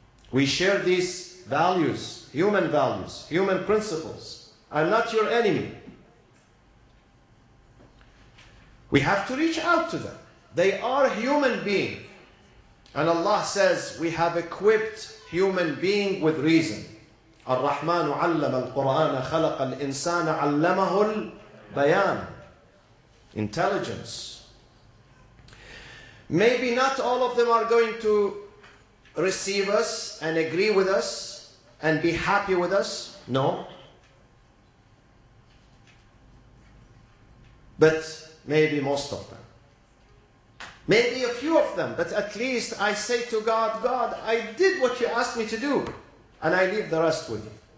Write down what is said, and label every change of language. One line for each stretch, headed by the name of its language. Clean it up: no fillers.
English: We share these values, human principles. I'm not your enemy. We have to reach out to them. They are human beings. And Allah says, we have equipped human being with reason.
Arabic: الرحمن علم القرآن خلق الإنسان علمه البيان.
English: Intelligence. Maybe not all of them are going to receive us and agree with us and be happy with us. No. But maybe most of them. Maybe a few of them, but at least I say to God, God, I did what you asked me to do, and I leave the rest with you.